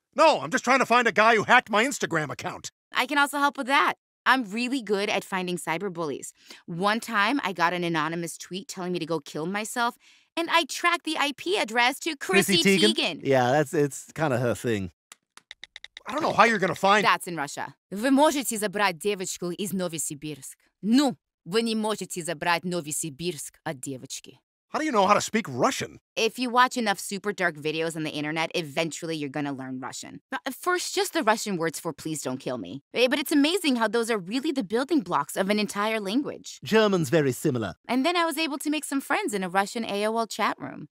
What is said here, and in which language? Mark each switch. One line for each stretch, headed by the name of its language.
English: No, I'm just trying to find a guy who hacked my Instagram account. I can also help with that. I'm really good at finding cyberbullies. One time, I got an anonymous tweet telling me to go kill myself, and I tracked the IP address to Chrissy Teigen. Yeah, it's kind of her thing. I don't know how you're going to find... That's in Russia.
Russian: Вы можете забрать девочку из Новосибирск. Ну, вы не можете забрать Новосибирск от девочки.
English: How do you know how to speak Russian? If you watch enough super dark videos on the internet, eventually you're gonna learn Russian. First, just the Russian words for please don't kill me. But it's amazing how those are really the building blocks of an entire language. German's very similar. And then I was able to make some friends in a Russian AOL chat room.